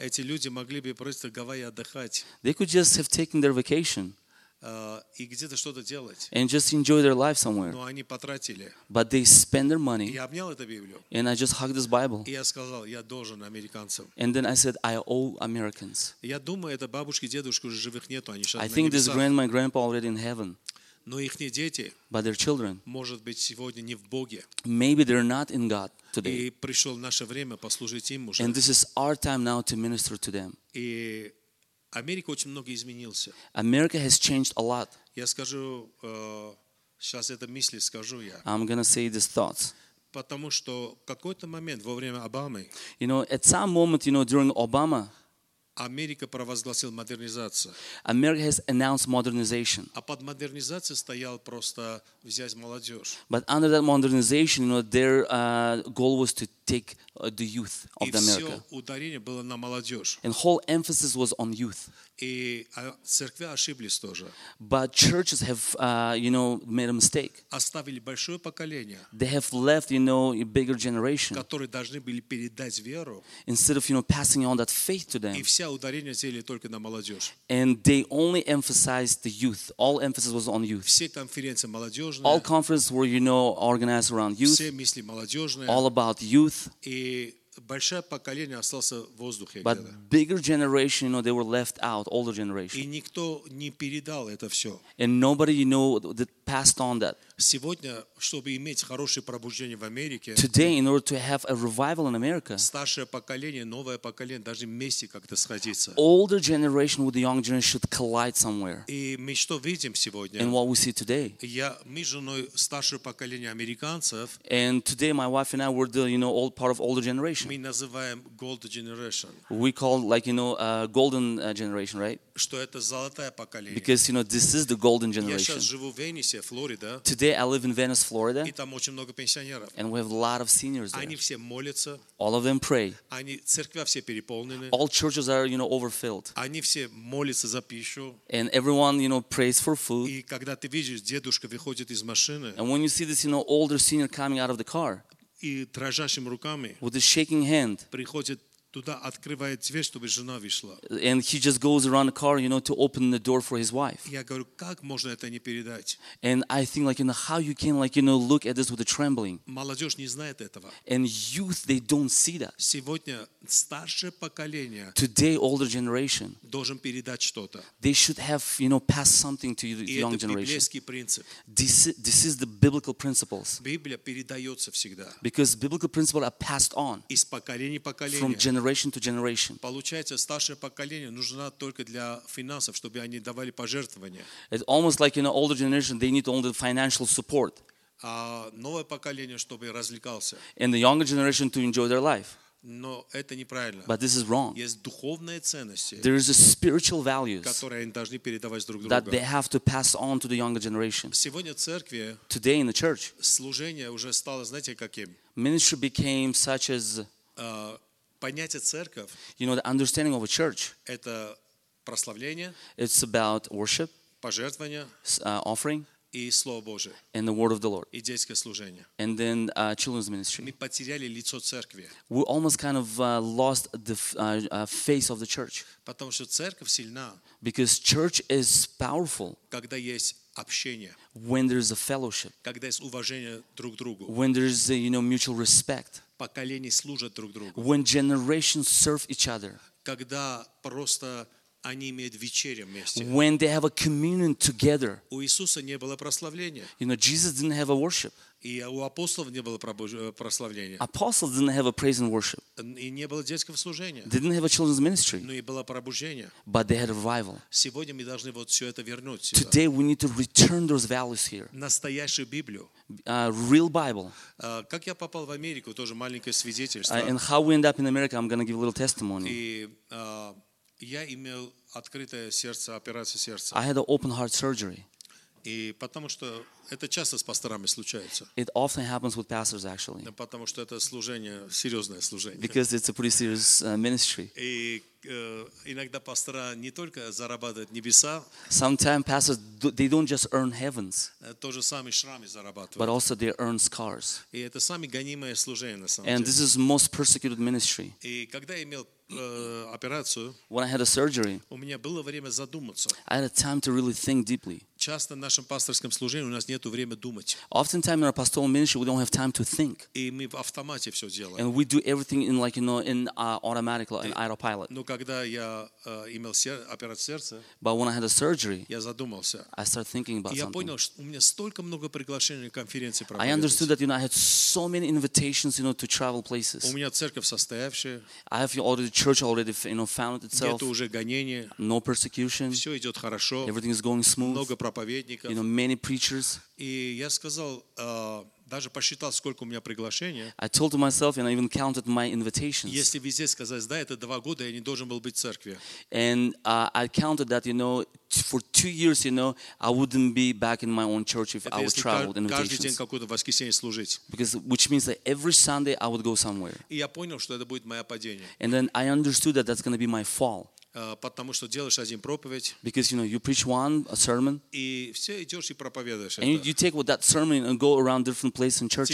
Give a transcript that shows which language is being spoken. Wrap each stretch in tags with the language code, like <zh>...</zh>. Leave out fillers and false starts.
<ru>эти люди могли бы просто Гавайи отдыхать.</ru> <en>They could just have taken their vacation.</en> <ru>И где-то что-то делать.</ru> <en>And just enjoy their life somewhere.</en> <ru>Но они потратили.</ru> <en>But they spend their money.</en> <ru>Я обнял эту Библию.</ru> <en>And I just hugged this Bible.</en> <ru>И я сказал, я должен американцам.</ru> <en>And then I said, I owe Americans.</en> <ru>Я думаю, это бабушки, дедушки уже живых нету, они сейчас.</ru> <en>I think this grandma and grandpa already in heaven.</en> <ru>Но их не дети.</ru> <en>But their children.</en> <ru>Может быть, сегодня не в Боге.</ru> <en>Maybe they're not in God today.</en> <ru>И пришло наше время послужить им уже.</ru> <en>And this is our time now to minister to them.</en> <ru>И Америка очень много изменился.</ru> <en>America has changed a lot.</en> <ru>Я скажу, сейчас это мысли скажу я.</ru> <en>I'm going to say these thoughts.</en> <ru>Потому что какой-то момент во время Обамы,</ru> <en>you know, at some moment, you know, during Obama,</en> <ru>Америка провозгласила модернизацию.</ru> <en>America has announced modernization.</en> <ru>А под модернизацией стоял просто взять молодежь.</ru> <en>But under that modernization, you know, their goal was to take the youth of America.</en> <ru>И все ударение было на молодежь.</ru> <en>And whole emphasis was on youth.</en> <ru>И церкви ошиблись тоже.</ru> <en>But churches have, you know, made a mistake.</en> <ru>Оставили большое поколение.</ru> <en>They have left, you know, a bigger generation.</en> <ru>Которые должны были передать веру.</ru> <en>Instead of, you know, passing on that faith to them.</en> <ru>И все ударение сделали только на молодежь.</ru> <en>And they only emphasized the youth. All emphasis was on youth.</en> <ru>Все конференции молодежные.</ru> <en>All conferences were, you know, organized around youth.</en> <ru>Все мысли молодежные.</ru> <en>All about youth.</en> <ru>И большое поколение осталось в воздухе.</ru> <en>But bigger generation, you know, they were left out, older generation.</en> <ru>И никто не передал это все.</ru> <en>And nobody, you know, that passed on that.</en> <ru>Сегодня, чтобы иметь хорошее пробуждение в Америке,</ru> <en>today, in order to have a revival in America,</en> <ru>старшее поколение, новое поколение должны вместе как-то сходиться.</ru> <en>Older generation with the young generation should collide somewhere.</en> <ru>И мы что видим сегодня?</ru> <en>And what we see today?</en> <ru>Мы с женой старшее поколение американцев.</ru> <en>And today, my wife and I were the, you know, old part of older generation.</en> <ru>Мы называем</ru> <en>gold generation. We call like, you know, golden generation, right?</en> <ru>Что это золотое поколение?</ru> <en>Because, you know, this is the golden generation.</en> <ru>Я сейчас живу в Венесе, Флорида.</ru> <en>Today I live in Venice, Florida.</en> <ru>И там очень много пенсионеров.</ru> <en>And we have a lot of seniors there.</en> <ru>Они все молятся.</ru> <en>All of them pray.</en> <ru>Они церкви все переполнены.</ru> <en>All churches are, you know, overfilled.</en> <ru>Они все молятся за пищу.</ru> <en>And everyone, you know, prays for food.</en> <ru>И когда ты видишь, дедушка выходит из машины.</ru> <en>And when you see this, you know, older senior coming out of the car.</en> <ru>и дрожащим руками</ru> <en>with a shaking hand</en> <ru>приходит туда, открывает дверь, чтобы жена вышла.</ru> <en>And he just goes around the car, you know, to open the door for his wife.</en> <ru>Я говорю, как можно это не передать?</ru> <en>And I think, like, you know, how you can, like, you know, look at this with a trembling.</en> <ru>Молодежь не знает этого.</ru> <en>And youth, they don't see that.</en> <ru>Сегодня старшее поколение.</ru> <en>Today, older generation.</en> <ru>Должен передать что-то.</ru> <en>They should have, you know, passed something to the young generation.</en> <ru>И это библейский принцип.</ru> <en>This is the biblical principles.</en> <ru>Библия передается всегда.</ru> <en>Because biblical principles are passed on.</en> <ru>Из поколения в поколение.</ru> <en>From generation to generation.</en> <ru>Получается, старшее поколение нужно только для финансов, чтобы они давали пожертвования.</ru> <en>It's almost like in an older generation, they need only financial support.</en> <ru>А новое поколение, чтобы развлекался.</ru> <en>And the younger generation to enjoy their life.</en> <ru>Но это неправильно.</ru> <en>But this is wrong.</en> <ru>Есть духовные ценности.</ru> <en>There is a spiritual values.</en> <ru>Которые они должны передавать друг другу.</ru> <en>That they have to pass on to the younger generation.</en> <ru>Сегодня в церкви.</ru> <en>Today in the church.</en> <ru>Служение уже стало, знаете, каким?</ru> <en>Ministry became such as.</en> <ru>Понятие церковь,</ru> <en>you know, the understanding of a church,</en> <ru>это прославление,</ru> <en>it's about worship,</en> <ru>пожертвование,</ru> <en>offering,</en> <ru>и Слово Божие,</ru> <en>and the word of the Lord,</en> <ru>и детское служение,</ru> <en>and then children's ministry.</en> <ru>Мы потеряли лицо церкви.</ru> <en>We almost kind of lost the face of the church.</en> <ru>Потому что церковь сильна.</ru> <en>Because church is powerful.</en> <ru>Когда есть общение.</ru> <en>When there is a fellowship.</en> <ru>Когда есть уважение друг к другу.</ru> <en>When there is, you know, mutual respect.</en> <ru>Поколения служат друг другу.</ru> <en>When generations serve each other.</en> <ru>Когда просто они имеют вечерю вместе.</ru> <en>When they have a communion together.</en> <ru>У Иисуса не было прославления.</ru> <en>You know, Jesus didn't have a worship.</en> <ru>И у апостолов не было прославления.</ru> <en>Apostles didn't have a praise and worship.</en> <ru>И не было детского служения.</ru> <en>They didn't have a children's ministry.</en> <ru>Но и было пробуждение.</ru> <en>But they had a revival.</en> <ru>Сегодня мы должны вот все это вернуть.</ru> <en>Today we need to return those values here.</en> <ru>Настоящую Библию.</ru> <en>Real Bible.</en> <ru>Как я попал в Америку, тоже маленькое свидетельство.</ru> <en>And how we end up in America, I'm going to give a little testimony.</en> <ru>И я имел открытое сердце, операцию сердца.</ru> <en>I had an open heart surgery.</en> <ru>И потому что это часто с пасторами случается.</ru> <en>It often happens with pastors, actually.</en> <ru>Потому что это служение, серьезное служение.</ru> <en>Because it's a pretty serious ministry.</en> <ru>И иногда пастора не только зарабатывают небеса.</ru> <en>Sometimes pastors they don't just earn heavens.</en> <ru>Тоже сами шрамы зарабатывают.</ru> <en>But also they earn scars.</en> <ru>И это самое гонимое служение на самом деле.</ru> <en>And this is most persecuted ministry.</en> <ru>И когда я имел операцию.</ru> <en>When I had a surgery.</en> <ru>У меня было время задуматься.</ru> <en>I had a time to really think deeply.</en> <ru>Часто в нашем пасторском служении у нас нету времени думать.</ru> <en>Oftentimes in our pastoral ministry we don't have time to think.</en> <ru>И мы в автомате все делаем.</ru> <en>And we do everything in, like, you know, in automatic, like, in autopilot.</en> <ru>Но когда я имел операцию сердца.</ru> <en>But when I had a surgery.</en> <ru>Я задумался.</ru> <en>I started thinking about something.</en> <ru>Я понял, что у меня столько много приглашений на конференции проходило.</ru> <en>I understood that, you know, I had so many invitations, you know, to travel places.</en> <ru>У меня церковь состоявшая.</ru> <en>I have already, the church already, you know, founded itself.</en> <ru>Нету уже гонения.</ru> <en>No persecution.</en> <ru>Все идет хорошо.</ru> <en>Everything is going smooth.</en> <ru>Много проповедников.</ru> <en>You know, many preachers.</en> <ru>И я сказал, даже посчитал, сколько у меня приглашений.</ru> <en>I told to myself, and I even counted my invitations.</en> <ru>Если везде сказать, да, это два года, я не должен был быть в церкви.</ru> <en>And I counted that, you know, for 2 years, you know, I wouldn't be back in my own church if I would travel invitations.</en> <ru>Каждый день какое-то воскресенье служить.</ru> <en>Because which means that every Sunday I would go somewhere.</en> <ru>И я понял, что это будет мое падение.</ru> <en>And then I understood that that's going to be my fall.</en> <ru>Потому что делаешь один проповедь.</ru> <en>Because, you know, you preach one, a sermon.</en> <ru>И все идешь и проповедуешь.</ru> <en>And you take what that sermon and go around different places and churches.</en>